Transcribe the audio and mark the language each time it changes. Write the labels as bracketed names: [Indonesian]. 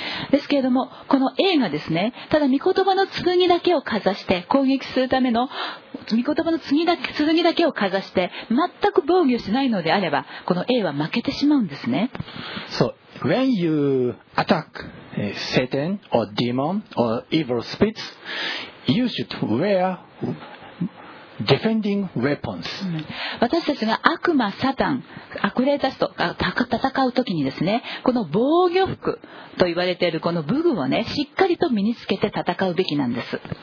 [Japanese] ですけれども、この A がですね、ただ御言葉の剣だけをかざして攻撃するための、御言葉の剣だけをかざして全く防御しないのであれば、この A は負けてしまうんですね。 [English] So when you attack Satan or demon or evil spirits, you should wear defending weapons. [Japanese] 私たちが悪魔、サタン、悪霊たちと戦うときにですね、この防御服と言われているこの武具をね、しっかりと身につけて戦うべきなんです。